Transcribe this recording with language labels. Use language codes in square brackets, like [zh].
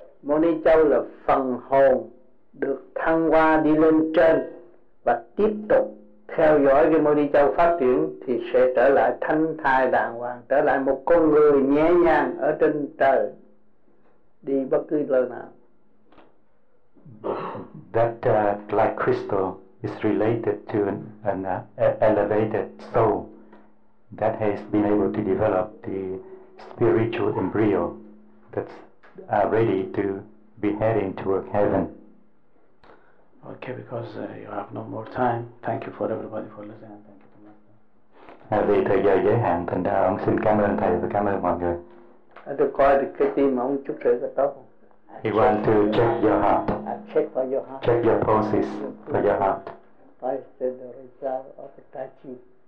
[vi] Moni Châu là phần hồn được thăng hoa đi lên trên và tiếp tục theo dõi cái Moni Châu phát triển thì sẽ trở lại thanh thai đàng hoàng, trở lại một con người nhẹ nhàng ở trên trời. Đi bất cứ lời nào. [en] That like crystal is related to an elevated soul that has been able to develop the spiritual embryo that's ready to be heading toward heaven. Okay, because you have no more time. Thank you for everybody for listening. Thank you to Master. [vi] Vì thời giờ giới hạn, thành ra ông xin cảm ơn thầy và cảm ơn mọi người. Được coi được cái tim ông chút rồi có tốt. [en] He want to check your heart. Check for your heart. Check your pulses for your heart. I said the result of touching.